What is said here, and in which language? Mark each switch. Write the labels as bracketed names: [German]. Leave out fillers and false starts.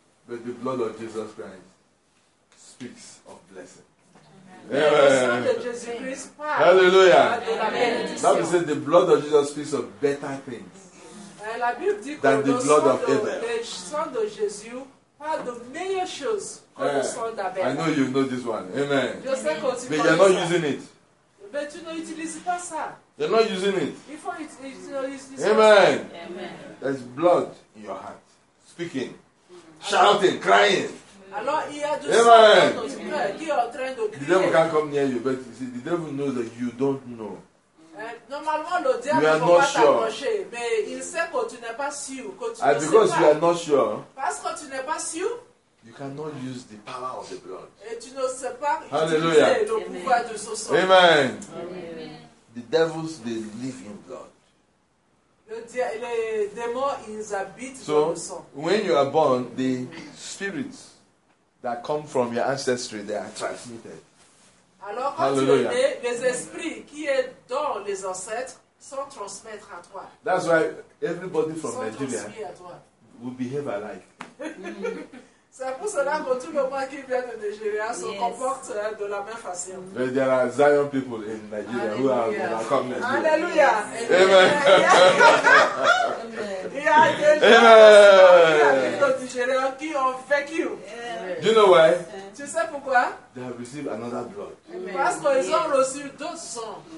[English] But the blood of Jesus Christ speaks of blessing. Amen. Hallelujah. Amen. The Bible says the blood of Jesus speaks of better things [French] la Bible dit [English] than the blood of Abel. [French] Le sang de Jésus parle de meilleures choses que le sang d'Abel. [English] I know you know this one. Amen. [French] Je sais que tu [English] but you're not using it. [French] Mais tu n'utilises pas ça. [English] You're not using it. Before it Amen. Amen. There's blood in your heart. Speaking. Shouting, crying. Amen. The devil can't come near you, but you see, the devil knows that you don't know. [French] Normalement, le diable ne peut pas t'approcher, mais il sait que tu n'es pas sûr, que tu ne sais [English] because you are not sure. [French] Parce que tu n'es pas sûr. [English] You cannot use the power of the blood. [French] Et tu ne sais pas. Hallelujah. Le pouvoir de ce sang. Amen. Amen. [English] The devils, they live in blood. [French] Les démons, ils habitent so, dans le sang. [English] When you are born, the spirits that come from your ancestry, they are transmitted. [French] Alors, hallelujah. Les esprits qui est dans les ancêtres sont transmettre à toi. [English] That's why everybody from Nigeria will behave alike. [French] C'est pour cela que tout le monde qui vient de Nigeria se comporte de la même façon. [English] But there are Zion people in Nigeria who are come Nigeria. Hallelujah. Amen. Do you know why? [French] Tu sais pourquoi? [English] They have received another blood. [French] Parce qu'ils ont reçu d'autres sons.